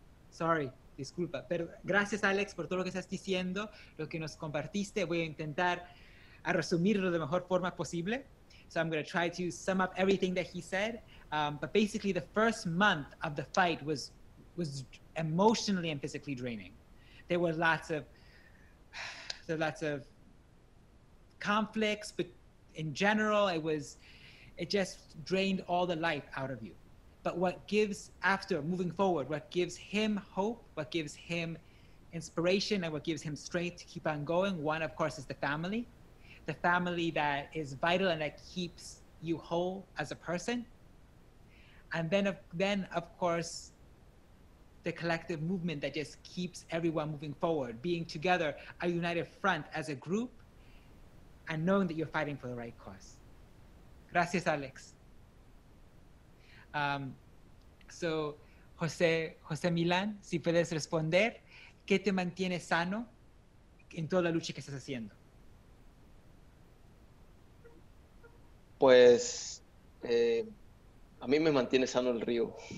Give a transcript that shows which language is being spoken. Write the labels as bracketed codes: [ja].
[en] Sorry. [es] Disculpa, pero gracias Alex por todo lo que estás diciendo, lo que nos compartiste. Voy a intentar a resumirlo de mejor forma posible. [en] So I'm going to try to sum up everything that he said. But basically the first month of the fight was emotionally and physically draining. There were lots of conflicts, but in general it just drained all the life out of you. But what gives, after moving forward, what gives him hope, what gives him inspiration, and what gives him strength to keep on going, one, of course, is the family that is vital and that keeps you whole as a person. And then, of course, the collective movement that just keeps everyone moving forward, being together, a united front as a group, and knowing that you're fighting for the right cause. [es] Gracias, Alex. So, José Milán, si puedes responder, ¿qué te mantiene sano en toda la lucha que estás haciendo? Pues, a mí me mantiene sano el río.